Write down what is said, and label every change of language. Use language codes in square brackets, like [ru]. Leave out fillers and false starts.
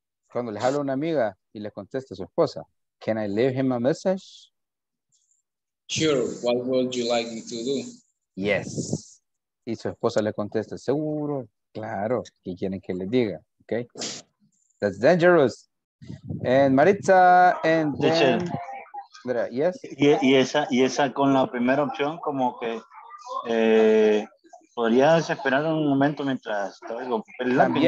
[es] Cuando le habla una amiga y le contesta a su esposa. [en] Can I leave him a message? Sure, what would you like me to do? Yes. [es] Y su esposa le contesta, seguro, claro, ¿qué quieren que le diga? [en] Okay. That's dangerous. And Maritza, and then... Mira, yes? [es] Y esa con la primera opción, como que... ¿Podrías esperar un momento mientras traigo el lápiz?